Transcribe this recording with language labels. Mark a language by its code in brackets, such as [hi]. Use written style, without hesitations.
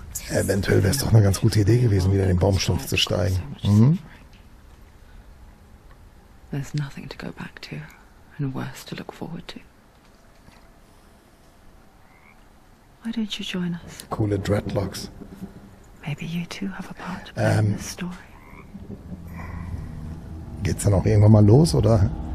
[de] Eventuell wäre es doch eine ganz gute Idee gewesen, wieder in den Baumstumpf zu steigen. Mhm. [en] There's nothing to go back to and worse to look forward to. Why don't you join us? [de] Coole Dreadlocks. [en] Maybe you too have a part to play in this story. [de] Geht's dann auch irgendwann mal los, oder?